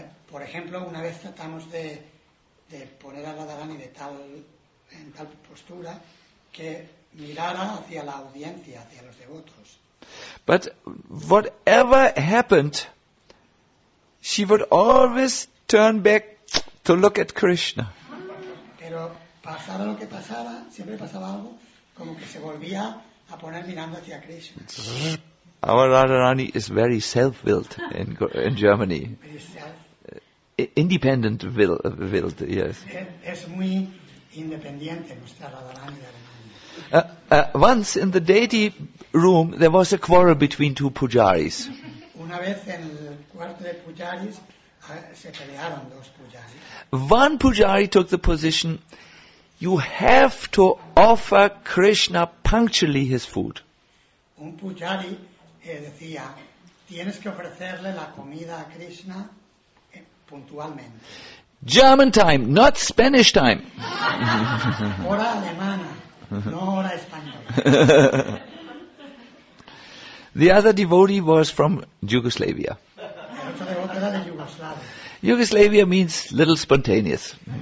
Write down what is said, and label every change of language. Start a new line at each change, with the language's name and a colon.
Spanish: Por ejemplo, una vez tratamos de poner a Radharani de tal, en tal postura, que miraran hacia la audiencia, hacia los devotos.
English: But whatever happened, she would always turn back to look at Krishna.
Spanish: Pero pasara lo que pasara, siempre pasaba algo, como que se volvía a poner mirando hacia Krishna.
English: Our Radharani is very self-willed in Germany. Independent willed, yes.
Spanish: Es muy independiente nuestra Radharani de Alemania.
English: Once in the deity room there was a quarrel between two pujaris.
Spanish: Una vez en el cuarto de pujaris se pelearon dos pujaris.
English: One pujari took the position, you have to offer Krishna punctually his food.
Spanish: Un pujari decía, tienes que ofrecerle la comida a Krishna puntualmente.
English: German time, not Spanish time.
Spanish: Hora alemana, no hora española.
English: The other devotee was from Yugoslavia.
Spanish: El otro devotee era de Yugoslavia.
English: Yugoslavia means little spontaneous.